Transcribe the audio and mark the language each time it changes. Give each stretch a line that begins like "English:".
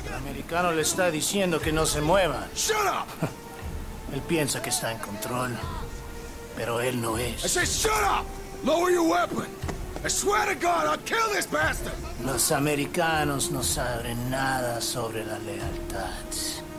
Spanish: El americano le está diciendo que no se muevan.
English: Shut up!
Spanish: Él piensa que está en control, pero él no es.
English: I say shut up! Lower your weapon! I swear to God, I'll kill this bastard!
Spanish: Los americanos no saben nada sobre la lealtad.